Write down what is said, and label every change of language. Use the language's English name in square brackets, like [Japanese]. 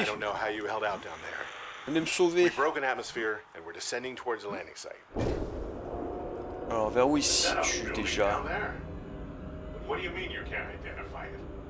[English] I don't know how you held out down there. [French] Venez me sauver. [English] We've broken atmosphere and we're descending towards the landing site. [French] Alors vers où il se situe déjà? [English] What do you mean you can't identify it?